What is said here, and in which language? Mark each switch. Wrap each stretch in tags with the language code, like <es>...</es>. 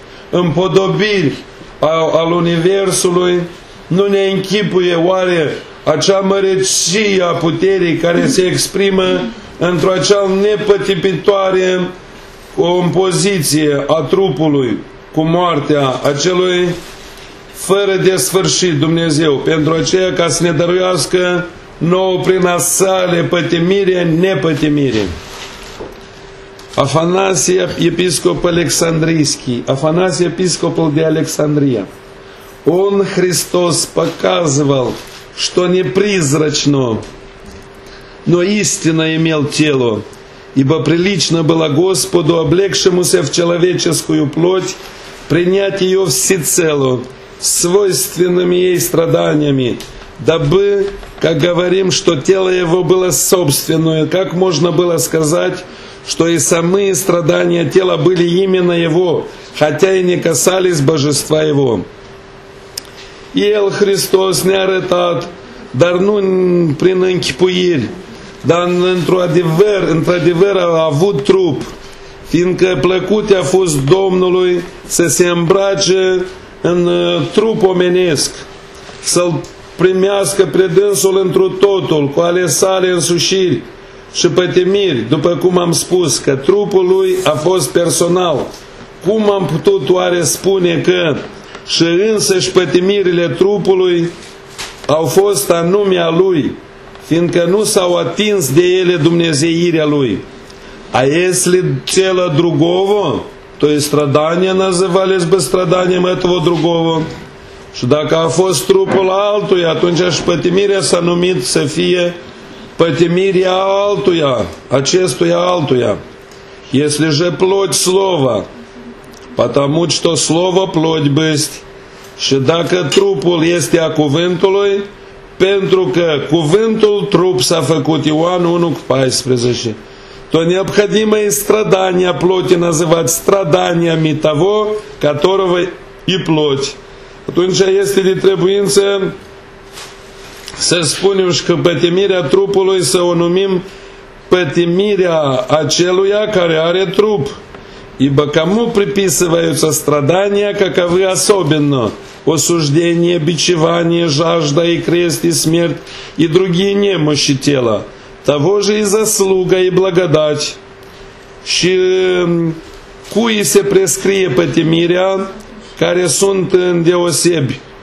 <ro>împodobiri al Universului nu ne închipuie oare acea măreție a puterii care se exprimă într-o acea nepătipitoare compoziție a trupului cu moartea acelui fără de sfârșit Dumnezeu, pentru aceea ca să ne dăruiască nouă prin a sale pătimire, nepătimire. Afanasie episcop Alexandrischi, Afanasie episcopul de Alexandria,</ro> <ru>он Христос показывал, что не призрачно, но истинно имел тело, ибо прилично было Господу, облегшемуся в человеческую плоть, принять ее всецело, свойственными ей страданиями, дабы, как говорим, что тело его было собственное, как можно было сказать, что и самые страдания тела были именно его, хотя и не касались божества его.</ru> <ro>El, Христос, не арытат, dar nu prin închipuiri, dar într-adevăr, într-adevăr a avut trup, fiindcă plăcut i-a fost Domnului să se îmbrace în trup omenesc, să-l primească pre dânsul întru totul, cu ale sale însușiri și pătimiri, după cum am spus, că trupul lui a fost personal. Cum am putut oare spune că și însăși pătimirile trupului au fost anume a Lui, fiindcă nu s-au atins de ele dumnezeirea Lui.</ro> <ru>А если тело другого, то и страдания назывались бы страданием этого другого.</ru> <ro>Și dacă a fost trupul altuia, atunci și pătimirea s-a numit să fie pătimirea altuia, acestuia altuia.</ro> <ru>Если же плоть слова, потому что слово плоть бысть,</ru> <ro>și dacă trupul este a cuvântului, pentru că cuvântul trup s-a făcut,</ro> <ru>Ioan 1:14, то необходимо и страдания плоти называть страданиями того, которого и плоть.</ru> <ro>Atunci este de trebuință să spunem și că pătimirea trupului să o numim pătimirea aceluia care are trup.</ro> <ru>Ибо кому приписываются страдания, каковы особенно? Осуждение, бичевание, жажда и крест, и смерть, и другие немощи тела. Того же и заслуга, и благодать.</ru> <ro>Și cui se prescrie pătimirea, care sunt îndeosebi?</ro>